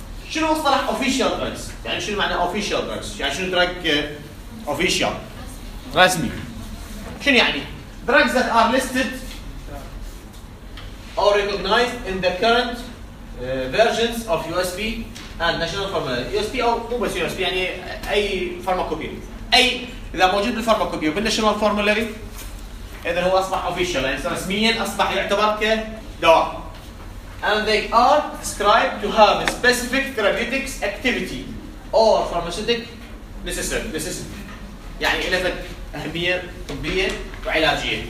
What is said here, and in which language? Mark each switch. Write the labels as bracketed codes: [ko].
[ar] شنو مصطلح official drugs؟ يعني شنو معنى official drugs؟ يعني شنو drug official رسمي؟ شنو يعني [en] drugs that are listed or recognized in the current versions of USP and national pharmacopoeia [ar] USP أو مو بس USP يعني أي pharmacopoeia أي إذا موجود بالpharmacopoeia بالnational formulary إذا هو أصبح official يعني رسمياً أصبح يعتبر كدواء. [en] And they are described to have a specific therapeutic activity or pharmaceutic necessity. [ar] يعني إلها أهمية طبية وعلاجية.